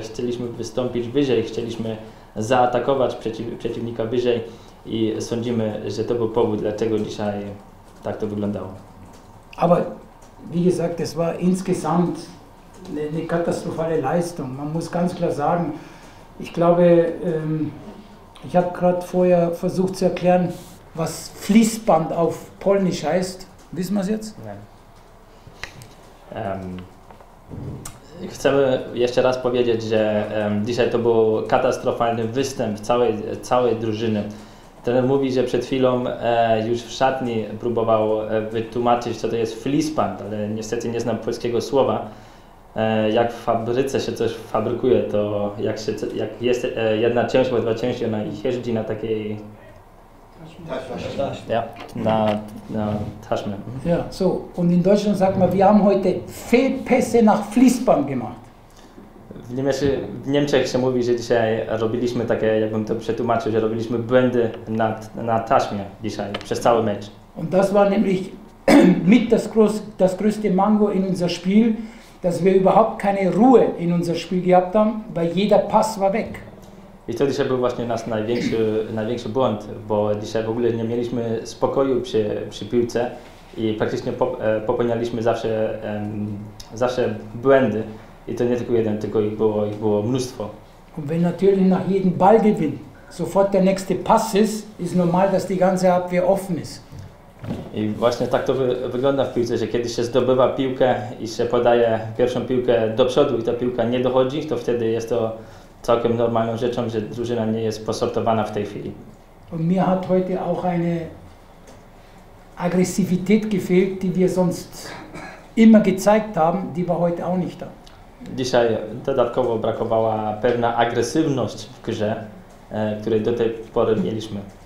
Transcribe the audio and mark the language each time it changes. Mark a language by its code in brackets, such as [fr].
[pl] Chcieliśmy wystąpić wyżej, chcieliśmy zaatakować przeciwnika wyżej i sądzimy, że to był powód, dlaczego dzisiaj tak to wyglądało. [de] Aber wie gesagt, es war insgesamt eine katastrophale Leistung. Man muss ganz klar sagen, ich glaube, ich habe gerade vorher versucht zu erklären, was Fließband auf Polnisch heißt. Wissen wir es jetzt? Nein. [pl] Chcemy jeszcze raz powiedzieć, że dzisiaj to był katastrofalny występ całej drużyny. Trener mówi, że przed chwilą już w szatni próbował wytłumaczyć, co to jest fließband, ale niestety nie znam polskiego słowa. Jak w fabryce się coś fabrykuje, to jak jest jedna część, bo dwa części, ona jeździ na takiej taśmie. [de] Ja, [pl] na taśmie. [de] Ja, so. Und in Deutschland sagt man, wir haben heute Fehlpässe nach fließband gemacht. [pl] W Niemczech się mówi, że dzisiaj robiliśmy takie, jakbym to przetłumaczył, że robiliśmy błędy na taśmie dzisiaj, przez cały mecz. [de] Und das war nämlich mit das größte Mango in unser Spiel, dass wir überhaupt keine Ruhe in unser Spiel gehabt haben, weil jeder Pass war weg. [pl] I to dzisiaj był właśnie nasz największy błąd, bo dzisiaj w ogóle nie mieliśmy spokoju przy piłce i praktycznie popełnialiśmy zawsze błędy. I to nie tylko jeden, tylko ich było mnóstwo. [de] Und wenn natürlich nach jedem Ballgewinn sofort der nächste Pass ist, ist normal, dass die ganze Abwehr offen ist. [pl] I właśnie tak to wygląda w piłce, że kiedy się zdobywa piłkę i się podaje pierwszą piłkę do przodu i ta piłka nie dochodzi, to wtedy jest to całkiem normalną rzeczą, że drużyna nie jest posortowana w tej chwili. [de] Und mir hat heute auch eine Aggressivität gefehlt, die wir sonst immer gezeigt haben, die war heute auch nicht da. [pl] Dzisiaj dodatkowo brakowała pewna agresywność w grze, której do tej pory mieliśmy.